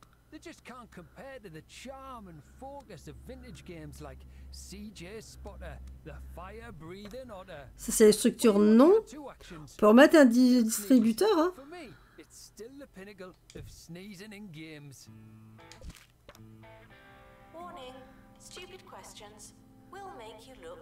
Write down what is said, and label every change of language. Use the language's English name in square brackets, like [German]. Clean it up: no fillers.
[English] They just can't compare to the charm and focus of vintage games like CJ Spotter, the fire breathing otter. [French] Ça c'est les structures non. On peut remettre un distributeur hein. [English] Still the pinnacle of sneezing in games. Warning, stupid questions will make you look.